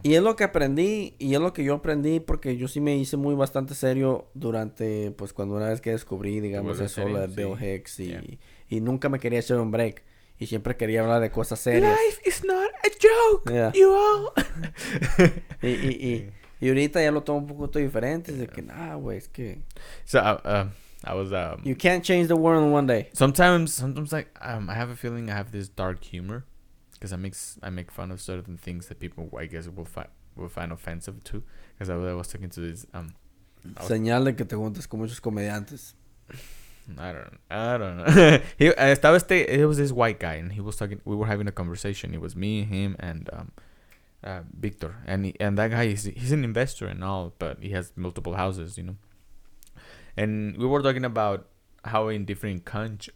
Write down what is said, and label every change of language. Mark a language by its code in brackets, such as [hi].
[es] Y es lo que aprendí, y es lo que yo aprendí, porque yo sí me hice muy bastante serio durante, pues, cuando una vez que descubrí, digamos, eso, lo de Bill Hicks. Y nunca me quería hacer un break. Y Y siempre quería hablar de cosas serias. [en] Life is not a joke, yeah. You all. [es] Y ahorita ya lo tomo un poquito diferente. Es de que, nah, güey, es que... [en] So, I was, You can't change the world in one day. Sometimes like, I have a feeling I have this dark humor. Because I make fun of certain things that people, I guess, will find offensive to. Because I was talking to this, [es] Señal de que te juntas con muchos comediantes. [en] I don't know. It was this white guy, and he was talking. We were having a conversation. It was me, him, and Victor. And that guy he's an investor and all, but he has multiple houses, you know. And we were talking about how in different countries.